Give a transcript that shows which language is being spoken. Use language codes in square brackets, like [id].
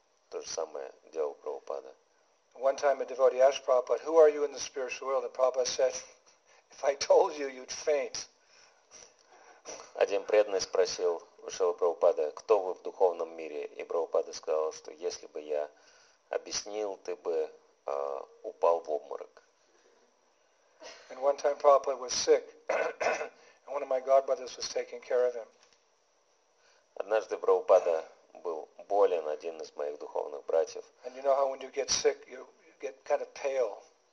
[ru] То же самое делал Прабхупада. [en] One time a devotee asked Prabhupada, who are you in the spiritual world? And Prabhupada said, if I told you, you'd faint. [ru] Один преданный спросил у Шрилы Прабхупады, кто вы в духовном мире? И Прабхупада сказал, что если бы я объяснил, ты бы упал в обморок. [en] And one time Prabhupada was sick and one of my godbrothers was taking care of him. [ru] Однажды Прабхупада был болен, один из моих духовных братьев. [en] And you know how when you get sick, you get kind of pale.